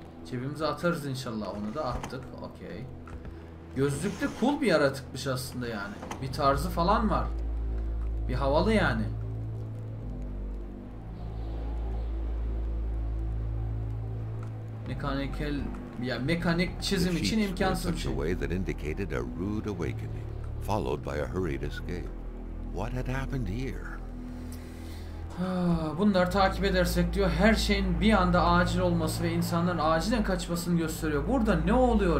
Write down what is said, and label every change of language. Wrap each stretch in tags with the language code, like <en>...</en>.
<tr>Cebimize atarız inşallah, onu da attık. Okey. Gözlüklü cool bir yaratıkmış aslında yani. Bir tarzı falan var. Bir havalı yani. Mekanikel, ya mekanik çizim için imkansız bir şey.</tr> <en>The way that indicated a rude awakening, followed by a hurried escape. What had happened here?</en> <tr>Bunlar takip edersek diyor, her şeyin bir anda acil olması ve insanların acilen kaçmasını gösteriyor. Burada ne oluyor?</tr>